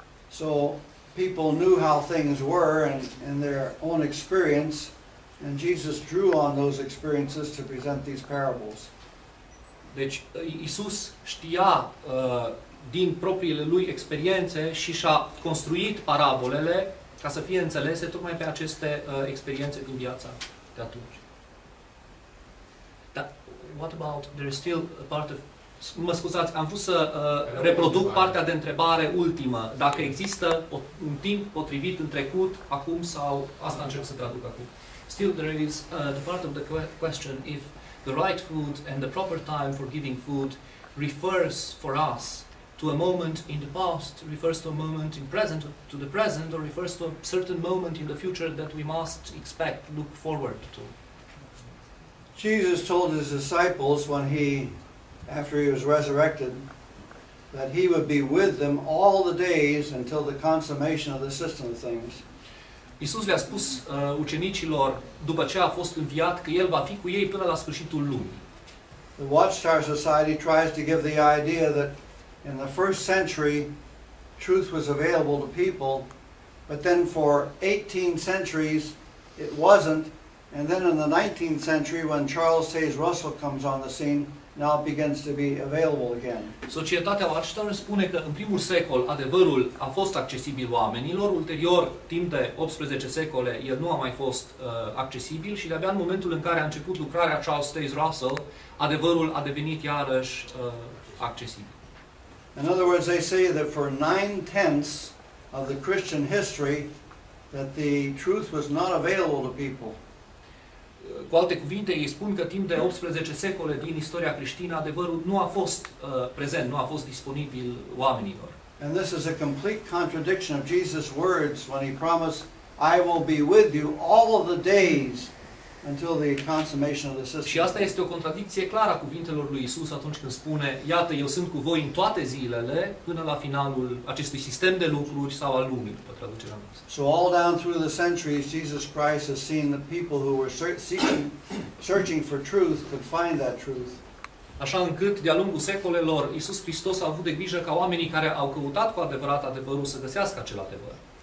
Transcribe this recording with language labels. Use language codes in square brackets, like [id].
[en] So people knew how things were and in their own experience, and Jesus drew on those experiences to present these parables. [ro] Deci Iisus știa din propriile lui experiențe și și-a construit parabolele ca să fie înțelese tocmai pe aceste experiențe din viața de atunci. [en] what about there is still a part of, [ro] mă scuzați, am vrut să reproduc partea de întrebare ultimă, dacă există un timp potrivit în trecut, acum sau asta încerc să traduc acum. [en] Still there is the part of the question if the right food and the proper time for giving food refers for us to a moment in the past, refers to a moment in present, to the present, or refers to a certain moment in the future that we must expect, look forward to. Jesus told his disciples when he, after he was resurrected, that he would be with them all the days until the consummation of the system of things. [ro] Iisus le-a spus ucenicilor, după ce a fost înviat, că el va fi cu ei până la sfârșitul lumii. [en] The Watchtower Society tries to give the idea that in the first century, truth was available to people, but then for 18 centuries, it wasn't. And then in the 19th century, when Charles Taze Russell comes on the scene, now it begins to be available again. [ro] Societatea Watchtower spune că în primul secol adevărul a fost accesibil oamenilor, ulterior, timp de 18 secole, el nu a mai fost accesibil și de-abia în momentul în care a început lucrarea Charles Taze Russell, adevărul a devenit iarăși accesibil. [en] In other words, they say that for 9/10 of the Christian history, that the truth was not available to people. [ro] Cu alte cuvinte, ei spun că timp de 18 secole din istoria creștină, adevărul nu a fost prezent, nu a fost disponibil oamenilor. [en] And this is a complete contradiction of Jesus' words when he promised, I will be with you all of the days until the consummation of the system. [ro] Și asta este o contradicție clară a cuvintelor lui Isus atunci când spune, iată, eu sunt cu voi în toate zilele până la finalul acestui sistem de lucruri sau al lumii, după traducerea noastră. [en] So all down through the centuries, Jesus Christ has seen the people who were searching for truth could find that truth. [ro] Așa încât, de-a lungul secolelor, Isus Hristos a avut de grijă ca oamenii care au căutat cu adevărat adevărul să găsească acel adevăr.